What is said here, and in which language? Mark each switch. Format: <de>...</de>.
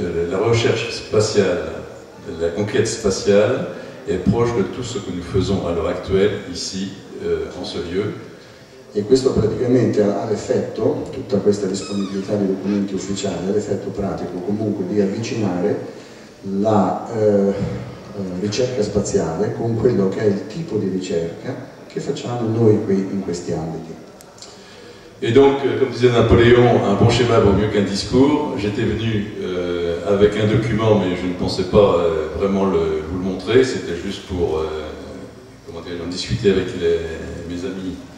<fr>La recherche spatiale, la conquête spatiale, est proche de tout ce que nous faisons à l'heure actuelle ici, en ce lieu.</fr> <it>E questo praticamente ha l'effetto, tutta questa disponibilità di documenti ufficiali, ha l'effetto pratico comunque di avvicinare la ricerca spaziale con quello che è il tipo di ricerca che facciamo noi qui in questi ambiti.</it> <fr>E donc,</fr> <it>come diceva</it> <fr>Napoleon, un bon schéma vaut mieux qu'un discours. J'étais venu avec un document, mais je ne pensais pas vraiment vous le montrer, c'était juste pour en discuter avec mes amis.</fr>